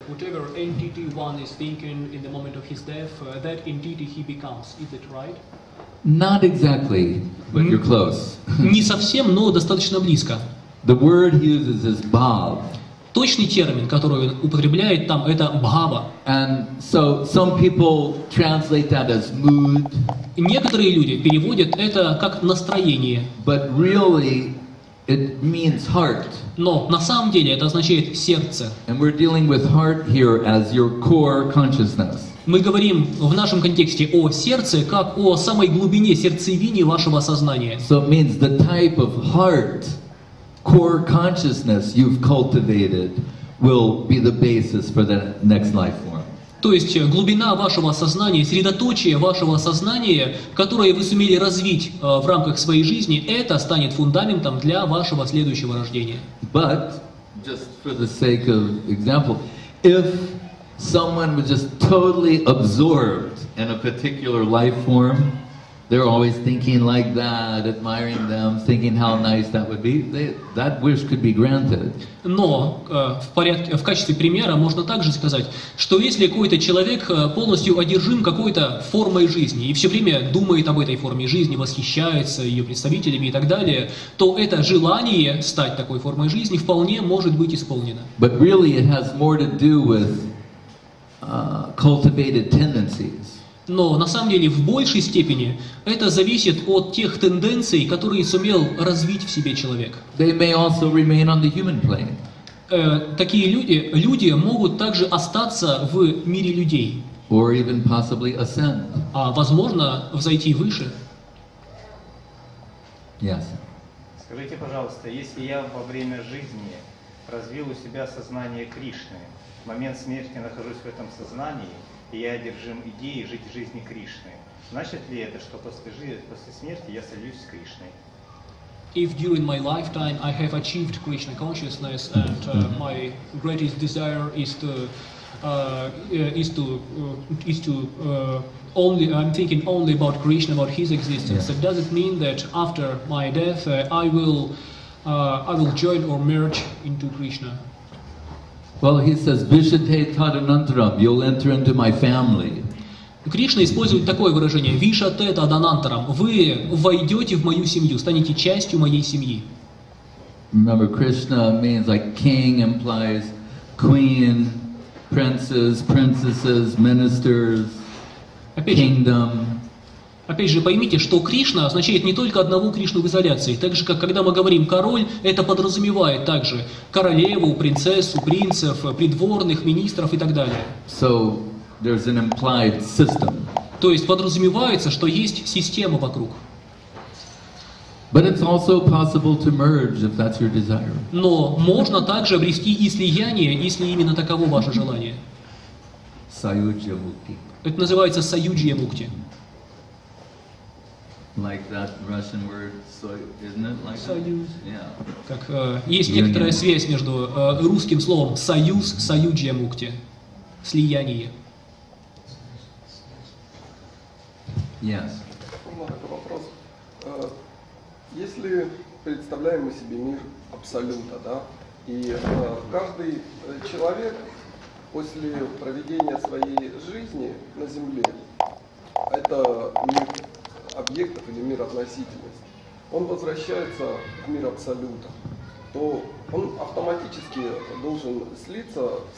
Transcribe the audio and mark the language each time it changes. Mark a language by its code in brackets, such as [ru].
[en] whatever entity one is thinking in the moment of his death, that entity he becomes. Is it right? Not exactly, but you're close. [ru] Не совсем, но достаточно близко. [en] The word he uses is bhava. [ru] Точный термин, который он употребляет там, это бхава. [en] And so some people translate that as mood. [ru] Некоторые люди переводят это как настроение. [en] But really, it means heart. [ru] Но на самом деле это означает сердце. [en] And we're dealing with heart here as your core consciousness. [ru] Мы говорим в нашем контексте о сердце, как о самой глубине сердцевине вашего сознания. [en] So it means the type of heart. Core consciousness you've cultivated will be the basis for the next life form. [ru] То есть глубина вашего сознания, средоточие вашего сознания, которое вы сумели развить в рамках своей жизни, это станет фундаментом для вашего следующего рождения. [en] But just for the sake of example, if someone was just totally absorbed in a particular life form, they're always thinking like that, admiring them, thinking how nice that would be. That wish could be granted. [ru] Но в качестве примера можно также сказать, что если какой-то человек полностью одержим какой-то формой жизни и все время думает об этой форме жизни, восхищается ее представителями и так далее, то это желание стать такой формой жизни вполне может быть исполнено. [en] But really, it has more to do with cultivated tendencies. [ru] Но на самом деле в большей степени это зависит от тех тенденций, которые сумел развить в себе человек. [en] They may also remain on the human plane. [ru] Такие люди могут также остаться в мире людей. [en] Or even possibly ascend. [ru] А возможно взойти выше. [en] Yes. [ru] Скажите, пожалуйста, если я во время жизни развил у себя сознание Кришны, в момент смерти нахожусь в этом сознании, и я одержим идеей жить жизнью Кришны. Значит ли это, что после смерти я сольюсь с Кришной? [en] If during my lifetime I have achieved Krishna consciousness and my greatest desire I'm thinking only about Krishna, about his existence. Yeah. So does it mean that after my death I will join or merge into Krishna? Well, he says, "Vishate tadanantaram, you'll enter into my family." [ru] Кришна использует такое выражение: "Вишате тадананторам, вы войдете в мою семью, станете частью моей семьи." [en] Remember, Krishna means like king implies queen, princes, princesses, ministers, kingdom. [ru] Опять же, поймите, что Кришна означает не только одного Кришну в изоляции. Так же, как когда мы говорим «король», это подразумевает также королеву, принцессу, принцев, придворных, министров и так далее. [en] So, there's an implied system. [ru] То есть подразумевается, что есть система вокруг. [en] But it's also possible to merge, if that's your desire. [ru] Но можно также обрести и слияние, если именно таково ваше желание. Саюджья мукти. Это называется саюджья мукти. [en] Like that Russian word, so isn't it like [ru] союз? [en] Yeah. [ru] Как есть union. Некоторая связь между русским словом союз, союджья мукти, слияние. [en] Yes. [ru] Можно вопрос. Если представляем мы себе мир абсолюта, да, и каждый человек после проведения своей жизни на Земле, это мир объектов или мир относительности, он возвращается в мир абсолюта, то он автоматически должен слиться